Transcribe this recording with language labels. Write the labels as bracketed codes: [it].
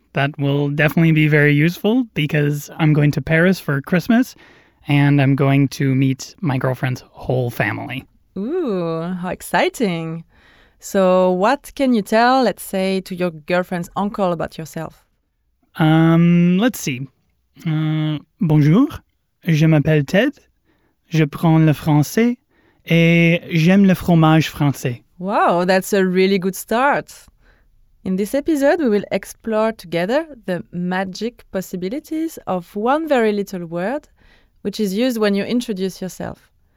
[en] That will definitely be very useful because I'm going to Paris for Christmas and I'm going to meet my girlfriend's whole family. Ooh, how exciting. So what can you tell, let's say, to your girlfriend's uncle about yourself? Let's see. [fr] Bonjour, je m'appelle Ted, je prends le français et j'aime le fromage français. [en] Wow, that's a really good start. In this episode, we will explore together the magic possibilities of one very little word, which is used when you introduce yourself.